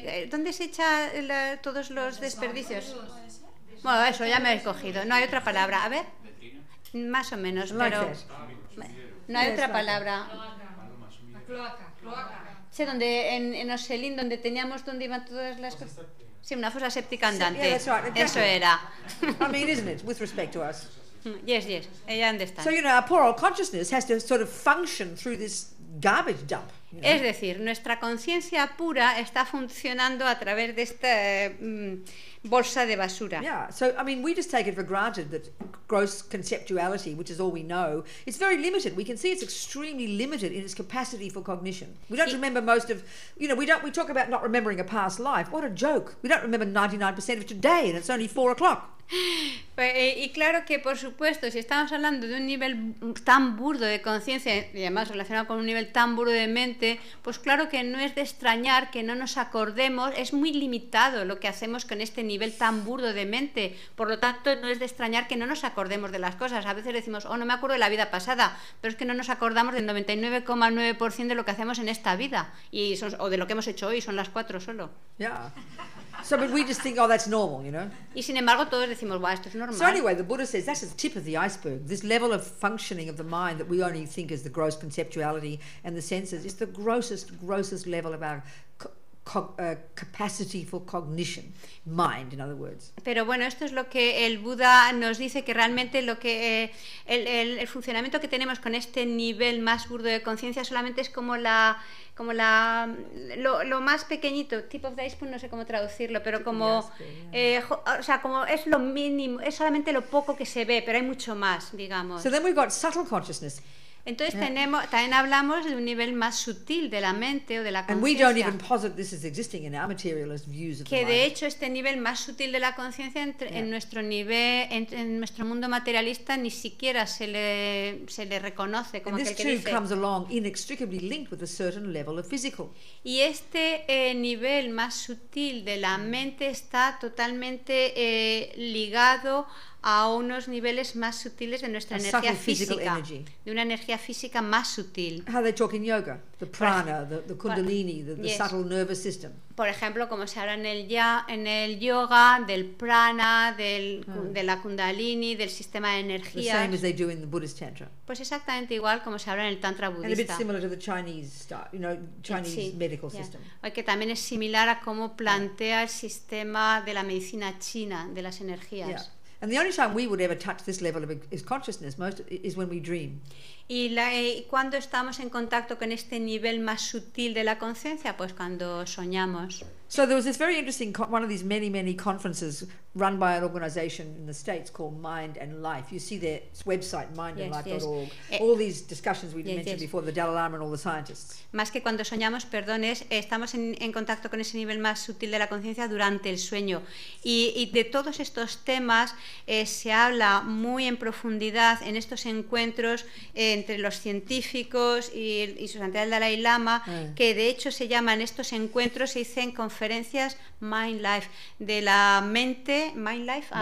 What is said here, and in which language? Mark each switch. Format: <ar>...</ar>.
<es>¿dónde se echa todos los desperdicios? Bueno, eso ya me he escogido. No hay otra palabra. A ver. Más o menos,</es> <en>like</en> <es>pero</es> <en>that.</en> <es>No hay otra palabra. La cloaca. Sí, donde en Oselín, donde teníamos, donde iban todas las cosas. Sí, una fosa séptica andante.</es> <en>Yeah, that's right.</en> <es>Eso era.</es> <en>I mean, isn't it, with respect to us? Yes, yes. Ella understand. So, you know, our poor old consciousness has to sort of function through this garbage dump. You know?</en> <es>Es decir, nuestra conciencia pura está funcionando a través de esta bolsa de basura.</es> <en>Yeah, so, I mean, we just take it for granted that gross conceptuality, which is all we know, it's very limited. We can see it's extremely limited in its capacity for cognition. We don't remember most of, you know, we talk about not remembering a past life. What a joke. We don't remember 99% of today and it's only 4 o'clock.</en> <es>Y claro que, por supuesto, si estamos hablando de un nivel tan burdo de conciencia y además relacionado con un nivel tan burdo de mente, pues claro que no es de extrañar que no nos acordemos. Es muy limitado lo que hacemos con este nivel tan burdo de mente, por lo tanto no es de extrañar que no nos acordemos de las cosas. A veces decimos, oh, no me acuerdo de la vida pasada, pero es que no nos acordamos del 99,9% de lo que hacemos en esta vida y son, o de lo que hemos hecho hoy, son las 4 solo.</es> <en>Yeah. So, but we just think, oh, that's normal, you know.</en> <es>Y sin embargo, todos decimos, wow, esto es normal.</es> <en>So anyway, the Buddha says that's the tip of the iceberg. This level of functioning of the mind that we only think is the gross conceptuality and the senses is the grossest level of our capacity for cognition, mind, in other words.</en> <es>Pero bueno, esto es lo que el Buda nos dice, que realmente lo que el funcionamiento que tenemos con este nivel más burdo de conciencia solamente es como la lo más pequeñito,</es> <en>tip of the iceberg,</en> <es>no sé cómo traducirlo, pero como o sea, como es lo mínimo, es solamente lo poco que se ve, pero hay mucho más, digamos.</es> <en>So then we've got subtle consciousness.</en> <es>Entonces tenemos, también hablamos de un nivel más sutil de la mente o de la conciencia.</es> <en>And we don't even posit this is existing in our materialist views of</en> <es>que</es> <en>the</en> <es>de hecho este nivel más sutil de la conciencia en nuestro mundo materialista ni siquiera se le reconoce como aquel que dice.</es> <en>And this too comes along inextricably linked with a certain level of physical.</en> <es>Y este nivel más sutil de la mente está totalmente ligado a unos niveles más sutiles de nuestra energía física, de una energía física más sutil.</es> <en>How they talk in yoga, the prana, the kundalini, the yes, subtle nervous system.</en> <es>Por ejemplo, como se habla en el yoga del prana, de la kundalini, del sistema de energía.</es> <en>The same as they do in the Buddhist tantra.</en> <es>Pues exactamente igual como se habla en el tantra budista.</es> <en>And a bit similar to the Chinese, you know, Chinese medical system.</en> <es>Que también es similar a cómo plantea el sistema de la medicina china de las energías.</es> <en>Yeah. And the only time we would ever touch this level of consciousness most is when we dream.</en> <es>Y cuando estamos en contacto con este nivel más sutil de la conciencia, pues cuando soñamos.</es> <en>So there was this very interesting one of these many, many conferences run by an organization in the States called Mind and Life. You see their website, mindandlife.org. All these discussions we've mentioned before, the Dalai Lama and all the scientists.</en> <es>Más que cuando soñamos, perdón, estamos en contacto con ese nivel más sutil de la conciencia durante el sueño. Y de todos estos temas se habla muy en profundidad en estos encuentros entre los científicos y su santidad el Dalai Lama, que de hecho se llaman estos encuentros, se dicen conferencias Mind Life, de la mente, Mind Life,</es>